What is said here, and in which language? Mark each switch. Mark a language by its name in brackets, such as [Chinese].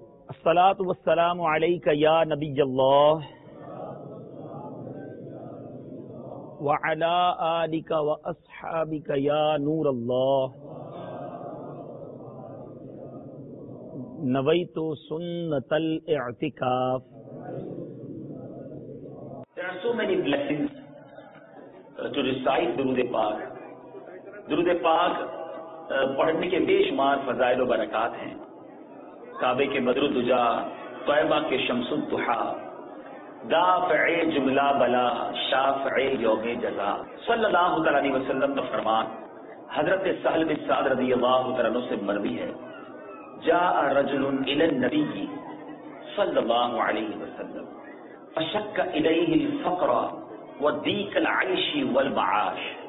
[Arabic] الصلاة والسلام عليك يا نبي الله وعلى آلك وأصحابك يا نور الله نويت سنة الاعتكاف. [English] There are so many blessings to recite درود پاک. [Urdu] درود پاک پڑھنے کے بے شمار فضائل و برکات ہیں. کعبے کے بدر دجا، طیبہ کے شمس الضحا، دافع جملہ بلا، شافع یوم جزا. صلی اللہ تعالی علیہ وسلم کا فرمان حضرت سہل بن سعد رضی اللہ تعالی عنہ سے مروی ہے، [Arabic] جاء رجل الى النبی صلی اللہ علیہ وسلم فشک الیہ الفقر وضیق العیش والمعاش.